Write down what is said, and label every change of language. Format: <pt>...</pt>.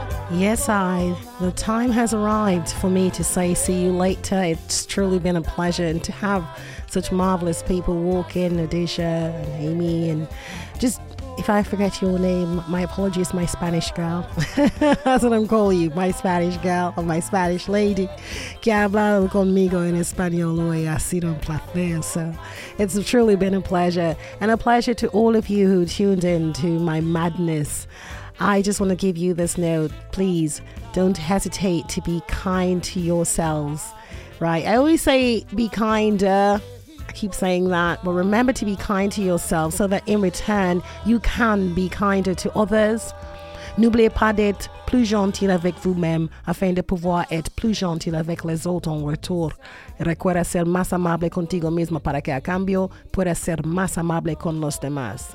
<en>The time has arrived for me to say see you later. It's truly been a pleasure, and to have such marvelous people walk in, Nadisha and Amy, and just, if I forget your name, my apologies, my Spanish girl. That's what I'm calling you, my Spanish girl or my Spanish lady.</en> <es>Que habla conmigo en español hoy, ha sido un placer.</es> <en>So it's truly been a pleasure, and a pleasure to all of you who tuned in to my madness. I just want to give you this note, please don't hesitate to be kind to yourselves, right? I always say be kinder, I keep saying that, but remember to be kind to yourself so that in return you can be kinder to others.</en> <fr>N'oubliez pas d'être plus gentil avec vous-même afin de pouvoir être plus gentil avec les autres en retour.</fr> <es>Recuerda ser más amable contigo mismo para que a cambio puedas ser más amable con los demás.</es>